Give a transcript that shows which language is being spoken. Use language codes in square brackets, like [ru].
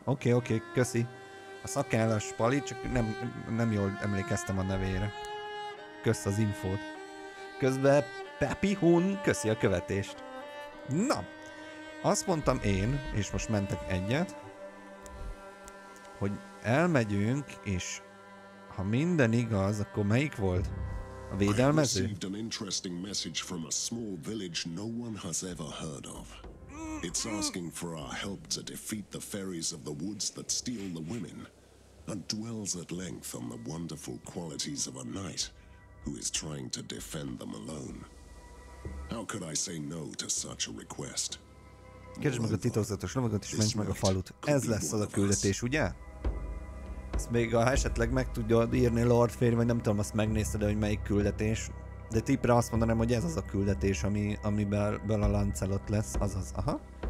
[hu] Oké, köszi. A szakállas pali, csak nem jól emlékeztem a nevére. Kösz az infót. Közben Pepi Hun köszi a követést. Na, azt mondtam én, és most mentek egyet, hogy elmegyünk, és ha minden igaz, akkor melyik volt? A védelmező? [en] I've received an interesting message from a small village no one has ever heard of. It's asking for our help to defeat the fairies of the woods that steal the women. And dwells at length on the wonderful qualities of a knight who is trying to defend them alone. How could I say no to such a request? [hu] Keresd meg a titokzatos lovagot és menj meg a falut. Ez lesz az a küldetés, ugye? Ezt még ha esetleg meg tudja írni Lord Fairy, vagy nem tudom, azt megnézted, hogy melyik küldetés. De tippre azt mondanám, hogy ez az a küldetés, amiből a Lancelot lesz, azaz. Aha.